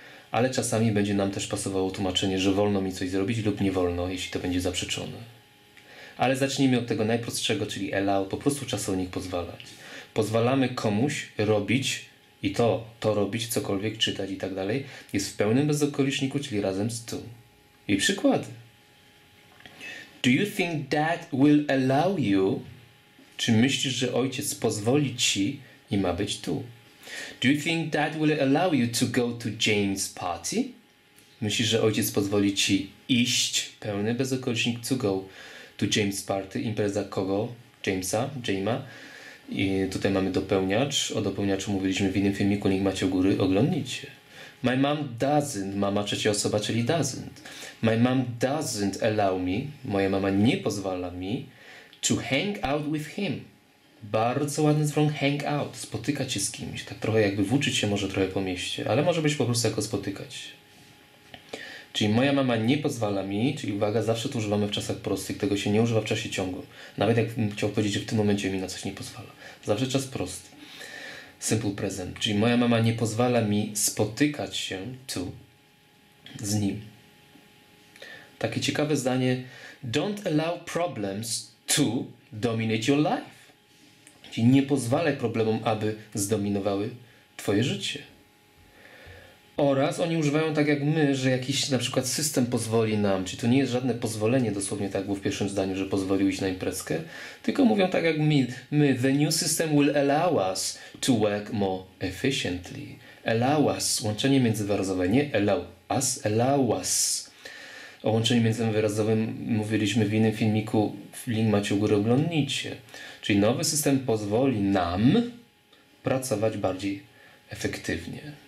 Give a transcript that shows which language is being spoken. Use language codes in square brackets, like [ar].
[pl] Ale czasami będzie nam też pasowało tłumaczenie, że wolno mi coś zrobić lub nie wolno, jeśli to będzie zaprzeczone. Ale zacznijmy od tego najprostszego, czyli allow, po prostu czasownik pozwalać. Pozwalamy komuś robić i to robić, cokolwiek czytać i tak dalej, jest w pełnym bezokoliczniku, czyli razem z to. I przykłady. [en] Do you think dad will allow you? [pl] Czy myślisz, że ojciec pozwoli ci i ma być tu? [en] Do you think dad will allow you to go to James' party? [pl] Myślisz, że ojciec pozwoli ci iść, pełny bezokolicznik, [en] to go to James' party, [pl] impreza kogo? Jamesa, Jama. I tutaj mamy dopełniacz. O dopełniaczu mówiliśmy w innym filmiku, link macie u góry, oglądnijcie. [en] My mom doesn't, [pl] mama trzecia osoba, czyli doesn't. [en] My mom doesn't allow me, [pl] moja mama nie pozwala mi, [en] to hang out with him. [pl] Bardzo ładny zwrot, hang out, spotykać się z kimś. Tak trochę jakby włóczyć się może trochę po mieście, ale może być po prostu jako spotykać. Czyli moja mama nie pozwala mi, czyli uwaga, zawsze to używamy w czasach prostych, tego się nie używa w czasie ciągłym. Nawet jakbym chciał powiedzieć, że w tym momencie mi na coś nie pozwala. Zawsze czas prosty. Simple present. Czyli moja mama nie pozwala mi spotykać się tu z nim. Takie ciekawe zdanie. [en] Don't allow problems to dominate your life. [pl] Czyli nie pozwalaj problemom, aby zdominowały twoje życie. Oraz oni używają tak jak my, że jakiś na przykład system pozwoli nam. Czyli to nie jest żadne pozwolenie dosłownie tak było w pierwszym zdaniu, że pozwolił iść na imprezkę. Tylko mówią tak jak my. [en] The new system will allow us to work more efficiently. Allow us. [pl] Łączenie międzywyrazowe. Nie [en] allow us. Allow us. [pl] O łączeniu międzywyrazowym mówiliśmy w innym filmiku. Link macie u góry, oglądnijcie. Czyli nowy system pozwoli nam pracować bardziej efektywnie.